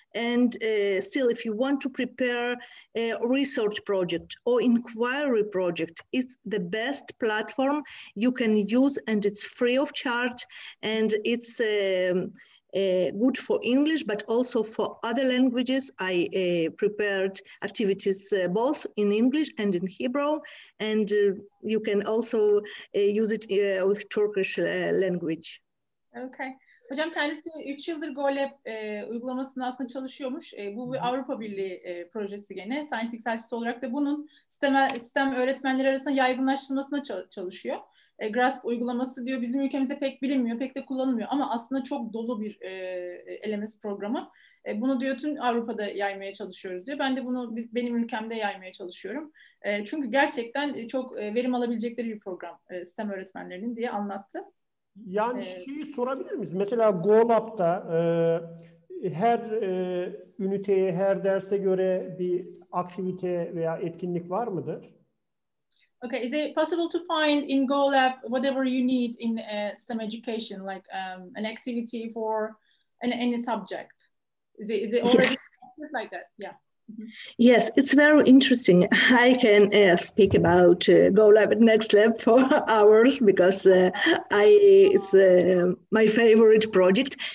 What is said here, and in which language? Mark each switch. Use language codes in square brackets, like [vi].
[en] And still, if you want to prepare a research project or inquiry project, it's the best platform you can use, and it's free of charge, and it's good for English, but also for other languages. I prepared activities both in English and in Hebrew, and you can also use it with Turkish language. Okay. [tr] Hocam kendisi 3 yıldır GoLab uygulamasında aslında çalışıyormuş. Bu bir Avrupa Birliği projesi gene. Scientific elçisi olarak da bunun sistem öğretmenleri arasında yaygınlaştırılmasına çalışıyor. Grasp uygulaması diyor, bizim ülkemizde pek bilinmiyor, pek de kullanılmıyor ama aslında çok dolu bir LMS programı. Bunu diyor, tüm Avrupa'da yaymaya çalışıyoruz diyor. Ben de bunu benim ülkemde yaymaya çalışıyorum. Çünkü gerçekten çok verim alabilecekleri bir program sistem öğretmenlerinin diye anlattı. Yani şeyi sorabilir miyiz? Mesela GoLab'da her üniteye, her derse göre bir aktivite veya etkinlik var mıdır? [en] Okay, is it possible to find in GoLab whatever you need in STEM education, like an activity for any subject? Is it already yes. Like that? Yeah. Yes, it's very interesting. I can speak about GoLab and NextLab for hours because it's my favorite project.